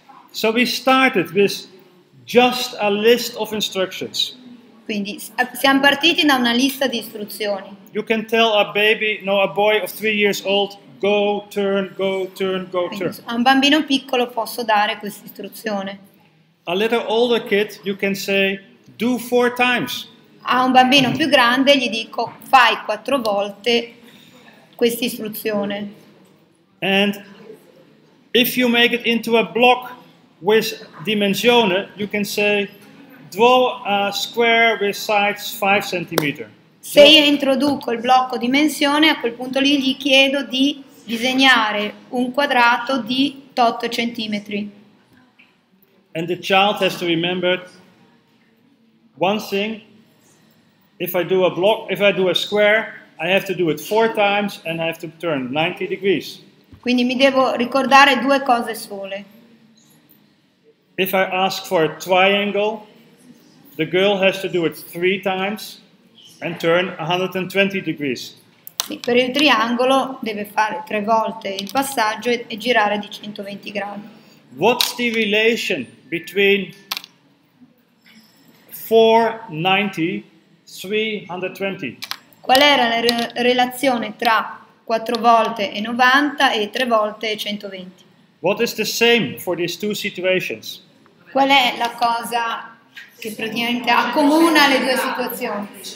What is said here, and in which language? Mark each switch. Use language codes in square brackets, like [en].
[en] So we started with just a list of instructions. [it] Quindi siamo partiti da una lista di istruzioni. [en] You can tell a baby, no, a boy of 3 years old, go, turn, go, turn, go, turn. [it] A un bambino piccolo posso dare questa istruzione. [en] A little older kid, you can say, do 4 times. [it] A un bambino più grande gli dico, fai 4 volte questa istruzione. [en] And if you make it into a block with dimensione, you can say, draw a square with sides 5 centimeters. [it] Se io introduco il blocco dimensione, a quel punto lì gli chiedo di disegnare un quadrato di tot centimetri. [en] And the child has to remember one thing: if I do a block, if I do a square, I have to do it 4 times and I have to turn 90 degrees. [it] Quindi mi devo ricordare 2 cose sole. [en] If I ask for a triangle, the girl has to do it 3 times and turn 120 degrees. [it] Sì, per il triangolo deve fare 3 volte il passaggio e girare di 120 gradi. [en] What's the relation between 490, 320? [it] Qual era la relazione tra 4 volte e 90 e 3 volte e 120? [en] What is the same for these two situations? [it] Qual è la cosa che praticamente accomuna le due situazioni?